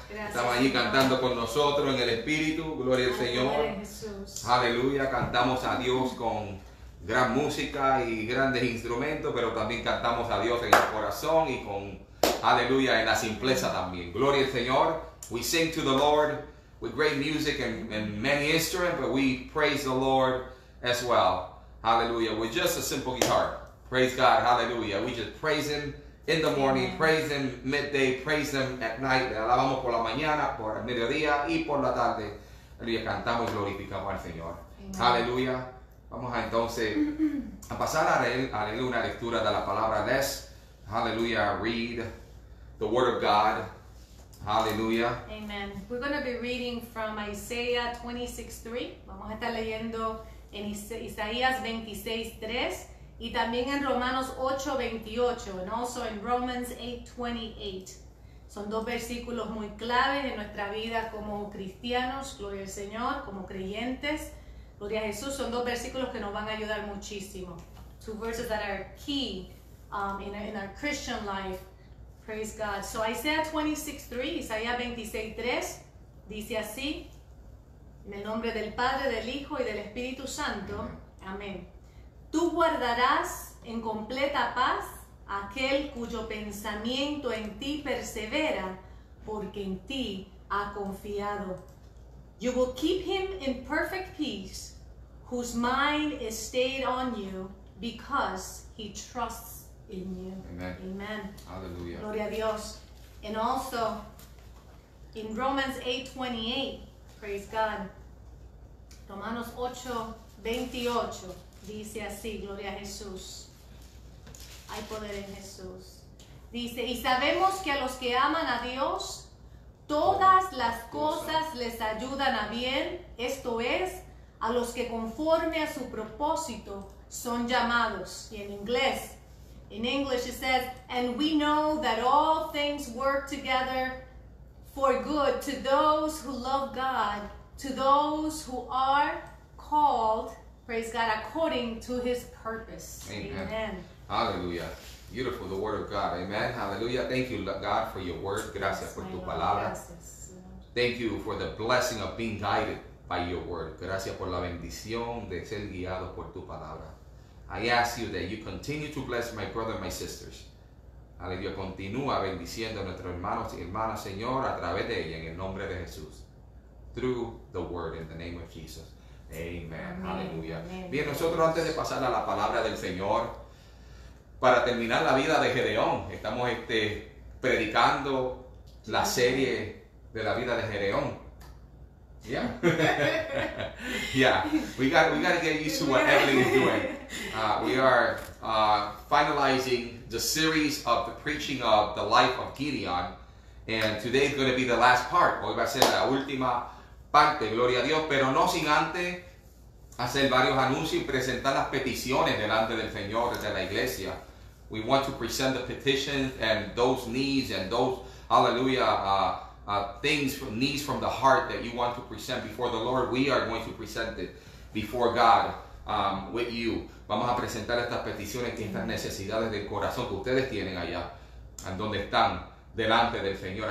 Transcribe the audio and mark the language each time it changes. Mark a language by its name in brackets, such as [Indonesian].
[Spanish] Gracias, estamos allí cantando con nosotros en el Espíritu. Gloria al Señor. Jesús. Aleluya. Cantamos a Dios con gran música y grandes instrumentos, pero también cantamos a Dios en el corazón y con, aleluya, en la simpleza también. Gloria al Señor. [English] We sing to the Lord with great music and many instruments, but we praise the Lord as well. Hallelujah. With just a simple guitar. Praise God. Hallelujah. We just praise Him in the morning, praise Him midday, praise Him at night. [Spanish] Le alabamos por la mañana, por el mediodía y por la tarde. Aleluya. Cantamos y glorificamos al Señor. Hallelujah. Vamos a entonces a pasar a leer una lectura de la palabra. [English] Let's, hallelujah, read the word of God. Hallelujah. Amen. We're going to be reading from Isaiah 26:3. [Spanish] Vamos a estar leyendo en Isaías 26:3 y también en Romanos 8:28 [English] and also in Romans 8:28. [Spanish] Son dos versículos muy claves en nuestra vida como cristianos, gloria al Señor, como creyentes. Gloria a Jesús, son dos versículos que nos van a ayudar muchísimo. [English] Two verses that are key in our Christian life. Praise God. [Spanish] So Isaiah 26:3, Isaías 26:3, dice así, en el nombre del Padre, del Hijo y del Espíritu Santo. Amén. Amén. Tú guardarás en completa paz aquel cuyo pensamiento en ti persevera, porque en ti ha confiado. [English] You will keep him in perfect peace, whose mind is stayed on you, because he trusts in you. Amen. Amen. Hallelujah. [Spanish] Gloria a Dios. [English] And also, in Romans 8:28, praise God, [Spanish] Romanos 8:28, dice así, gloria a Jesús. Hay poder en Jesús. Dice, y sabemos que a los que aman a Dios, todas las cosas les ayudan a bien, esto es, a los que conforme a su propósito son llamados. Y en inglés, [English] in English it says, and we know that all things work together for good to those who love God, to those who are called, praise God, according to his purpose. Amen. Hallelujah. Beautiful, the word of God. Amen. Hallelujah. Thank you, God, for your word. [Spanish] Gracias por tu palabra. [English] Thank you for the blessing of being guided by your word. [Spanish] Gracias por la bendición de ser guiado por tu palabra. [English] I ask you that you continue to bless my brother and my sisters. Hallelujah. [Spanish] Continúa bendiciendo a nuestros hermanos y hermanas, Señor, a través de ella, en el nombre de Jesús. [English] Through the word, in the name of Jesus. Amen. Hallelujah. [Spanish] Bien, nosotros antes de pasar a la palabra del Señor, para terminar la vida de Gedeón, estamos predicando la serie de la vida de Gedeón. [English] Yeah. Yeah. We got to get used to what Evelyn is doing. We are finalizing the series of the preaching of the life of Gideon. And today is going to be the last part. [Spanish] Hoy va a ser la última parte, gloria a Dios. Pero no sin antes hacer varios anuncios y presentar las peticiones delante del Señor de la iglesia. [English] We want to present the petitions and those needs and those, hallelujah, things, needs from the heart that you want to present before the Lord. We are going to present it before God with you. [Spanish] Vamos a presentar estas peticiones y estas necesidades del corazón que ustedes tienen allá, en donde están delante del Señor.